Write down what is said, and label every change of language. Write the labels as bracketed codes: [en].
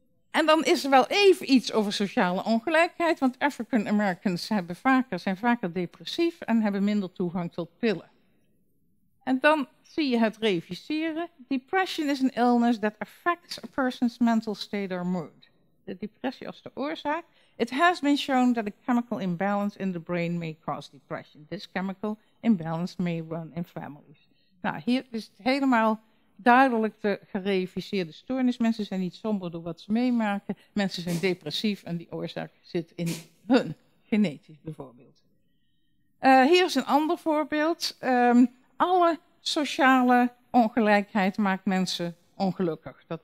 [nl] En dan is er wel even iets over sociale ongelijkheid. Want African Americans zijn vaker depressief en hebben minder toegang tot pillen. En dan zie je het reviseren. [en] Depression is an illness that affects a person's mental state or mood. [nl] De depressie als de oorzaak. [en] It has been shown that a chemical imbalance in the brain may cause depression. This chemical imbalance may run in families. [nl] Nou, hier is het helemaal duidelijk de gereviseerde stoornis. Mensen zijn niet somber door wat ze meemaken. Mensen zijn depressief en die oorzaak zit in hun genetisch bijvoorbeeld. Hier is een ander voorbeeld. Alle sociale ongelijkheid maakt mensen ongelukkig.